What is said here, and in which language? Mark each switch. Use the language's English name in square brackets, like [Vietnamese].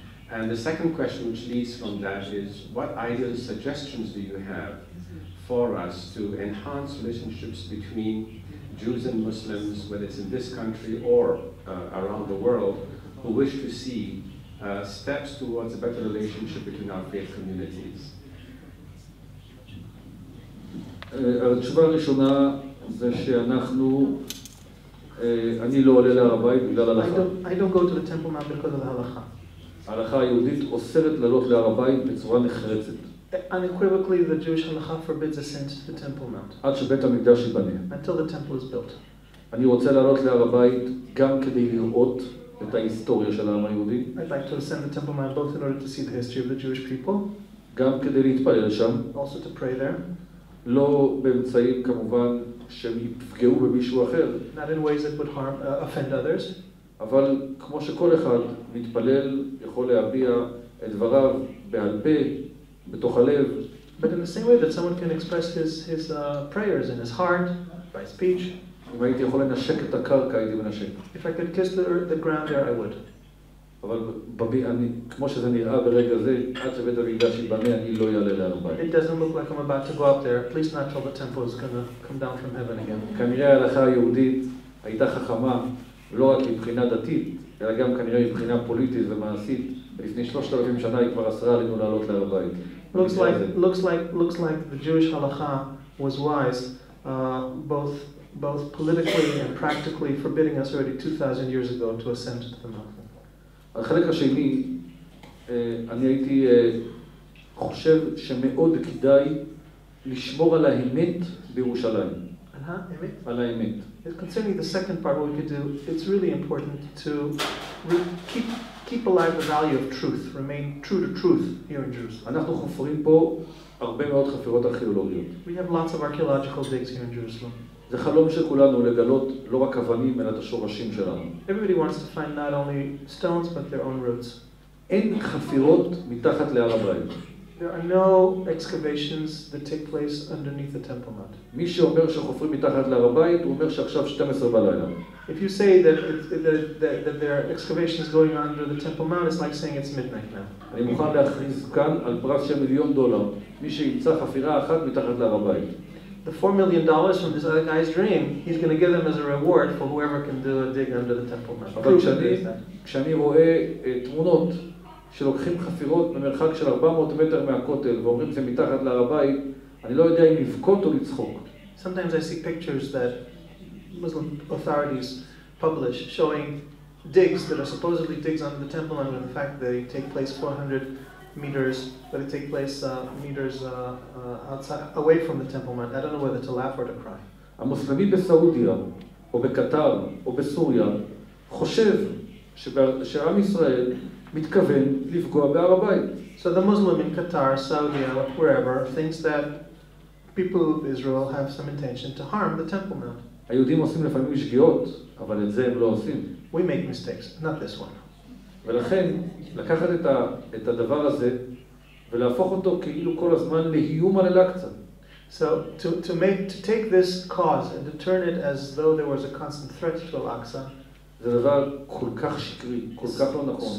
[English] And the second question, which leads from that, is what ideal suggestions do you have for us to enhance relationships between Jews and Muslims, whether it's in this country or around the world, who wish to see steps towards a better relationship between our faith communities? [Hebrew] התשובה הראשונה זה שאנחנו, אני לא עולה להר הבית בגלל הלכה. [English] I don't go to the Temple Mount because of the halakha. [Hebrew] ההלכה היהודית אוסרת לעלות להר הבית בצורה נחרצת. [English] Unequivocally, the Jewish halakha forbids ascent to the Temple Mount. [Hebrew] עד שבית המקדש ייבנה. [English] Until the temple is built. [Hebrew] אני רוצה לעלות להר הבית גם כדי לראות את ההיסטוריה של העם היהודי. [English] I'd like to ascend the Temple Mount both in order to see the history of the Jewish people. [Hebrew] גם כדי להתפלל שם. [English] Also to pray there. [Hebrew] לא באמצעים כמובן שהם יפגעו במישהו אחר. [English] Not in ways that would harm, offend others. [Hebrew] אבל כמו שכל אחד מתפלל יכול להביע את דבריו בעל פה, בתוך הלב. [English] But in the same way that someone can express his prayers in his heart, by speech. [Hebrew] אם הייתי יכול לנשק את הקרקע, הייתי מנשק. [English] If I could kiss the ground there, I would. [Hebrew] אבל כמו שזה נראה ברגע זה, עד שבית המקדש ייבנה, אני לא יעלה להר הבית. [English] It doesn't look like I'm about to go up there, at least not till the temple is going to come down from heaven again. [Hebrew] כנראה ההלכה היהודית הייתה חכמה, לא רק מבחינה דתית, אלא גם כנראה מבחינה פוליטית ומעשית. לפני 3,000 שנה היא כבר אסרה עלינו לעלות להר הבית. [English] Looks like the Jewish halakha was wise, both politically and practically forbidding us already 2,000 years ago to ascend to the mountain. [Hebrew] החלק השני, אני הייתי חושב שמאוד כדאי לשמור על האמת בירושלים. על האמת? על האמת. [English] Concerning the second part, what we could do, it's really important to keep alive the value of truth, remain true to truth here in Jerusalem. [Hebrew] אנחנו חופרים פה הרבה מאוד חפירות ארכיאולוגיות. [English] We have lots of archaeological digs here in Jerusalem. [Hebrew] זה חלום של כולנו לגלות לא רק אבנים אלא את השורשים שלנו. [English] Everybody wants to find not only stones but their own roots. [Hebrew] אין חפירות מתחת להר הבית. [English] There are no excavations that take place underneath the Temple Mount. [Hebrew] מי שאומר שחופרים מתחת להר הבית הוא אומר שעכשיו 12 בלילה. [English] If you say that there are excavations going on under the Temple Mount, it's like saying it's midnight now. [Hebrew] אני מוכן להכריז כאן על פרס של מיליון דולר מי שימצא חפירה אחת מתחת להר הבית. [English] The $4 million from this other guy's dream, he's going to give them as a reward for whoever can do a dig under the Temple Mount. [Hebrew] אבל כשאני רואה תמונות שלוקחים חפירות במרחק של 400 מטר מהכותל ואומרים זה מתחת להר הבית, אני לא יודע אם לבכות או לצחוק. [English] Sometimes I see pictures that Muslim authorities publish showing digs that are supposedly digs under the Temple Mount, and the fact that they take place 400 meters, but it takes place meters outside, away from the Temple Mount. I don't know whether to laugh or to cry. [Hebrew] המוסלמי בסעודיה או בקטר או בסוריה חושב שעם ישראל מתכוון לפגוע בהר הבית. [English] So the Muslim in Qatar, Saudi, wherever, thinks that people of Israel have some intention to harm the Temple Mount. [Hebrew] היהודים עושים לפעמים שגיאות, אבל את זה הם לא עושים. [English] We make mistakes, not this one. [Hebrew] ולכן לקחת את הדבר הזה ולהפוך אותו כאילו כל הזמן להיום על אל-אקצא. [English] So to take this cause and to turn it as though there was a constant threat to Al-Aqsa. [Hebrew] זה דבר כל כך שקרי, כל כך לא נכון.